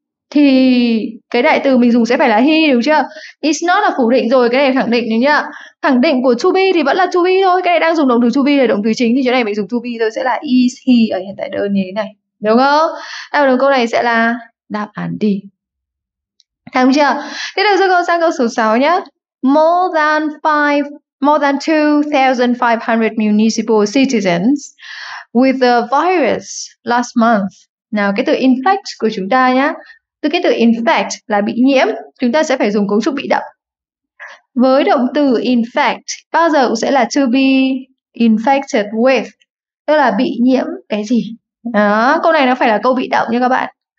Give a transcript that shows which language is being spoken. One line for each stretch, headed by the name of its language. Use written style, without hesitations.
Vietnamese: Thì cái đại từ mình dùng sẽ phải là he đúng chưa? It's not là phủ định rồi, cái này là khẳng định đúng chưa? Khẳng định của to be thì vẫn là to be thôi. Cái này đang dùng động từ to be là động từ chính, thì chỗ này mình dùng to be thôi, sẽ là is he ở hiện tại đơn như thế này. Đúng không? Đáp án đúng câu này sẽ là đáp án D. Thắng chưa? Thế được rồi, con sang câu số 6 nhé.
English: More than 2,500 municipal citizens with the virus last month.
Vietnamese: Nào, cái từ infect của chúng ta nhé. Từ cái từ infect là bị nhiễm, chúng ta sẽ phải dùng cấu trúc bị động. Với động từ infect, bao giờ cũng sẽ là to be infected with. Tức là bị nhiễm cái gì? Đó, câu này nó phải là câu bị động nha các bạn.